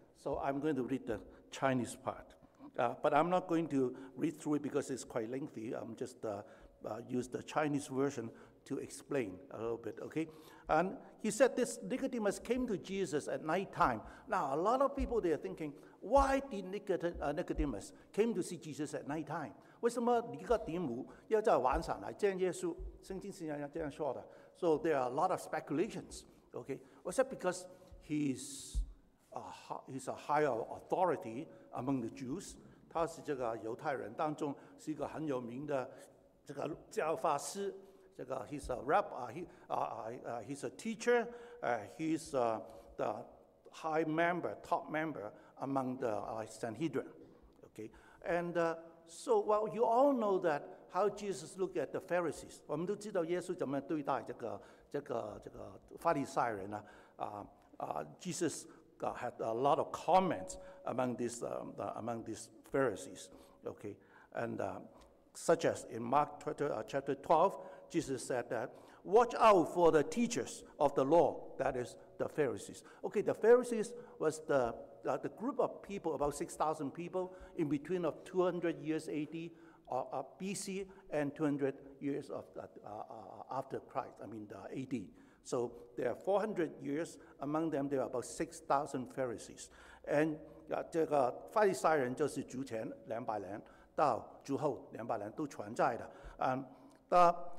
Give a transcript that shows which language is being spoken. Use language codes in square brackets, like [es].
[en] So I'm going to read the Chinese part. But I'm not going to read through it because it's quite lengthy. I'm just use the Chinese version to explain a little bit, okay? And he said this Nicodemus came to Jesus at nighttime. Now, a lot of people, they are thinking, why did Nicodemus came to see Jesus at nighttime? [zh] 为什么尼哥底母要在晚上来见耶稣？圣经是这样说的。 [en] So there are a lot of speculations. Okay, was that because he's a higher authority among the Jews? [zh] 他是这个犹太人当中是一个很有名的这个教法师。 [en] 这个 he's a rabbi. He's a teacher. He's the high member, top member among the Sanhedrin. Okay, and So, well, you all know that how Jesus looked at the Pharisees. [zh] 我们都知道耶稣怎么对待这个法利赛人呢？ [en] Jesus had a lot of comments among these Pharisees. Okay, and such as in Mark chapter 12, Jesus said that, watch out for the teachers of the law, that is the Pharisees. Okay, the Pharisees was the group of people, about 6,000 people, in between of 200 years AD, BC, and 200 years of after Christ, AD. So there are 400 years among them, there are about 6,000 Pharisees. And [zh] 这个法利赛人就是主前两百年到主后两百年都存在的。